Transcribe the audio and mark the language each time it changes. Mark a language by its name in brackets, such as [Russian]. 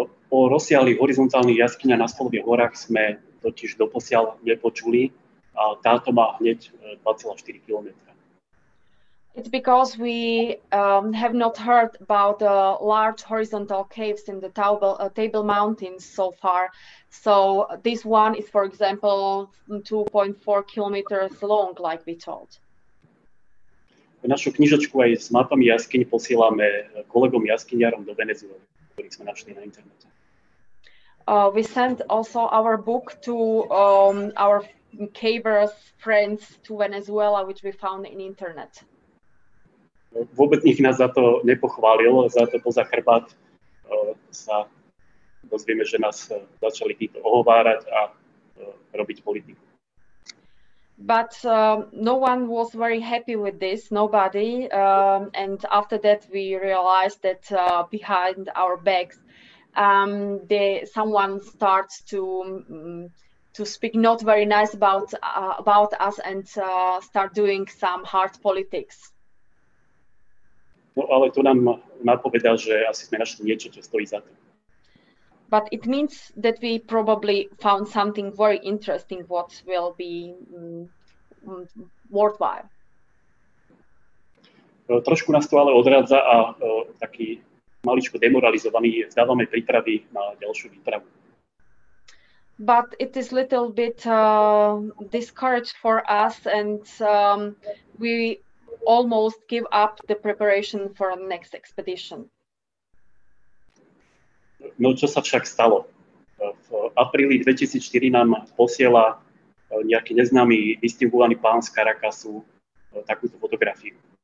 [Slovak] O rozsiahlych horizontálnych jaskyniach na Slovie horách sme totiž doposiaľ nepočuli, a táto má hneď 2,4 km. [English] It's because we have not heard about the large horizontal caves in the Table Mountains so far. So this one is, for example, 2.4 kilometers long, like we told. [Slovak] Našu knižočku aj s mapami jaskyň posielame kolegom jaskyniarom do Venezuely, ktorých sme našli na internete. [English] We sent also our book to our cavers friends to Venezuela, which we found in internet. [Slovak] Vôbec nikto nás za to nepochválil, za to poza chrbát sa dozvieme, že nás začali títo ohovárať a robiť politiku. [English] But no one was very happy with this, nobody. And after that we realized that behind our backs someone starts to speak not very nice about us and start doing some hard politics. [Slovak] No, ale to nám napovedá, že asi sme našli niečo, čo stojí za to. [English] But it means that we probably found something very interesting, what will be worthwhile. [Slovak] Trošku nás to ale odradza a taký maličko demoralizovaný zdávame prípravy na ďalšiu výpravu. [English] But it is little bit discouraged for us and we almost give up the preparation for the next expedition. [Slovak] No, čo sa však stalo? V apríli 2004 nám posiela nejaký neznámy, distinguovaný pán z Caracasu takúto fotografiu.